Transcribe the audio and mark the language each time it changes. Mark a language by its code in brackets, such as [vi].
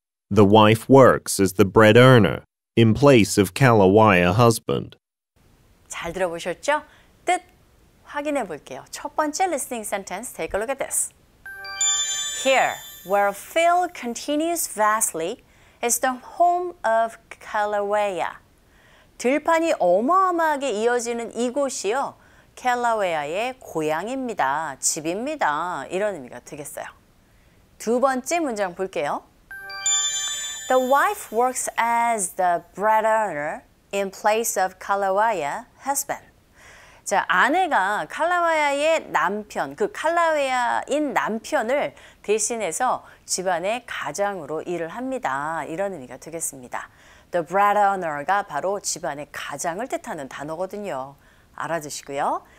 [en] The wife works as the bread earner, in place of Kalawaya husband. [ko] 잘 들어보셨죠? 뜻 확인해 볼게요. 첫 번째 [en] listening sentence, take a look at this. Here, where field continues vastly, is the home of Kalawaya. [ko] 들판이 어마어마하게 이어지는 이곳이요. 캘라웨아의 고향입니다. 집입니다. 이런 의미가 되겠어요. 두 번째 문장 볼게요. [en] The wife works as the bread earner in place of Kalawaya husband. [ko] 자, 아내가 칼라웨아의 남편, 그 칼라웨아인 남편을 대신해서 집안의 가장으로 일을 합니다. 이런 의미가 되겠습니다. [en] The bread earner [ko] 가 바로 집안의 가장을 뜻하는 단어거든요. 알아두시고요.